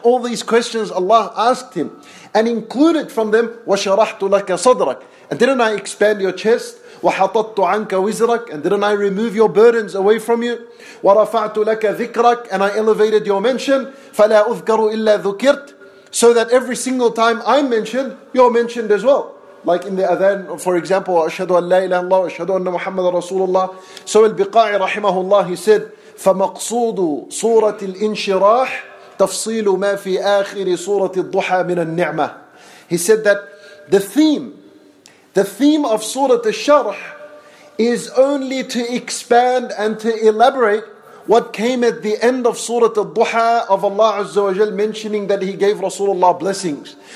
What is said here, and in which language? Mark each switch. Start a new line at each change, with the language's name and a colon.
English: All these questions Allah asked him, and included from them,
Arabic: وَشَرَحْتُ لَكَ صَدْرَكَ.
English: And didn't I expand your chest?
Arabic: وَحَطَطْتُ عَنْكَ وِزْرَكَ.
English: And didn't I remove your burdens away from you?
Arabic: وَرَفَعْتُ لَكَ ذِكْرَكَ.
English: And I elevated your mention.
Arabic: فَلَا أُذْكَرُ إِلَّا ذُكِرْتُ.
English: So that every single time I'm mentioned, you're mentioned as well. Like in the adhan, for example,
Arabic: وَأَشْهَدُ أَنْ لَا إِلَهَ اللَّهُ وَأَشْهَدُ أَنَّ مُحَمَّدَ رَسُولُ اللَّهِ.
English: So Al-Biqa'i rahimahullah, he said,
Arabic: فَمَقْصُودُ سُورَةِ الْإِنْشِرَاحِ تَفْصِيلُ مَا فِي آخِرِ سُورَةِ الضُّحَى مِنَ النِّعْمَةِ.
English: He said that the theme of Surah Al-Sharh is only to expand and to elaborate what came at the end of Surah Al-Duha of Allah Azza wa Jal mentioning that he gave Rasulullah blessings.